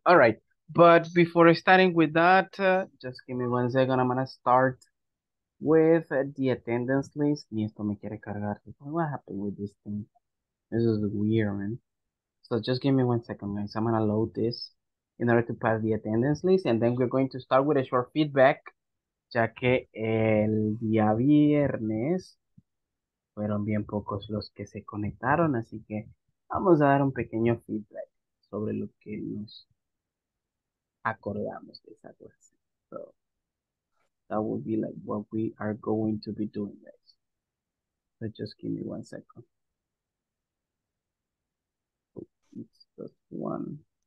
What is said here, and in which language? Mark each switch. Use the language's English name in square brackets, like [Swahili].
[English] All right, but before starting with that, just give me 1 second. I'm gonna start with the attendance list. [Spanish] Ni esto me quiere cargar. [English] What happened with this thing? This is weird, man. So just give me 1 second, guys. I'm gonna load this in order to pass the attendance list, and then we're going to start with a short feedback. [Spanish] Ya que el día viernes fueron bien pocos los que se conectaron, así que vamos a dar un pequeño feedback sobre lo que nos acordamos de esa clase. [English] So, that would be like what we are going to be doing, guys. So, just give me 1 second. Oh, it's just one.